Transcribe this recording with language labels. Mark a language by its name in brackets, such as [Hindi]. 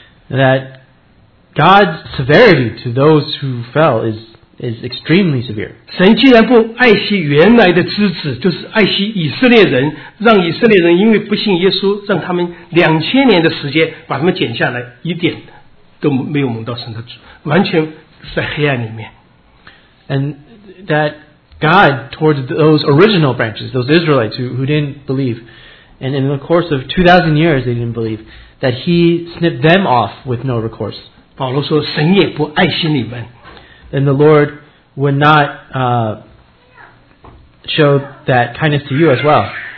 [English] That God's severity to those who fell is extremely severe. [Chinese] 神既然不爱惜原来的枝子，就是爱惜以色列人，让以色列人因为不信耶稣，让他们2000年的时间把他们剪下来，一点都没有蒙到神的主，完全在黑暗里面。 [English] And that God, towards those original branches, those Israelites who didn't believe, and in the course of 2,000 years they didn't believe, that He snipped them off with no recourse. [Chinese] 保罗说，神也不爱惜你们。 [English] Then the Lord would not show that kindness to you as well.